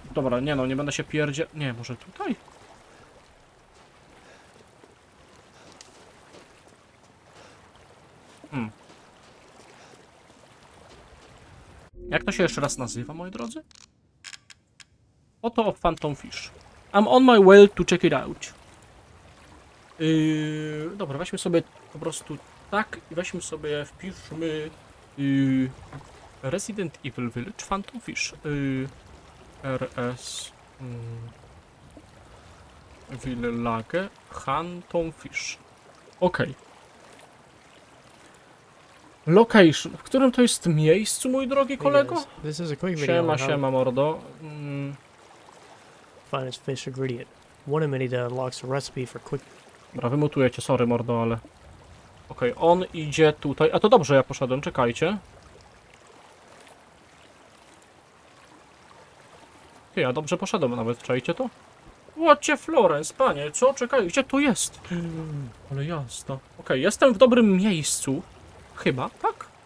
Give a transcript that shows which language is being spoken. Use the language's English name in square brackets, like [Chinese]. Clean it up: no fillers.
[Polish] Dobra, nie no, nie będę się pierdzie... Nie, może tutaj? Jak to się jeszcze raz nazywa, moi drodzy? Oto Phantom Fish. [English] I'm on my way to check it out. [Polish] Dobra, weźmy sobie po prostu tak i weźmy sobie, wpiszmy Resident Evil Village Phantom Fish. RS Village Phantom Fish. Okej. [English] Location. [Polish] W którym to jest miejscu, mój drogi kolego? [English] This is a quick video. [Polish] Siema, siema, mordo. [English] Find its fish ingredient. One of many that unlocks a recipe for quick. [Polish] Dobra, wymutujecie, sorry, mordo, ale. Okej, on idzie tutaj. A to dobrze, ja poszedłem, czekajcie. Ja dobrze poszedłem, nawet czekajcie to. Łacie Florence, panie, co? Czekaj, gdzie to jest? Ale jasno. Okej, jestem w dobrym miejscu. Chyba, tak?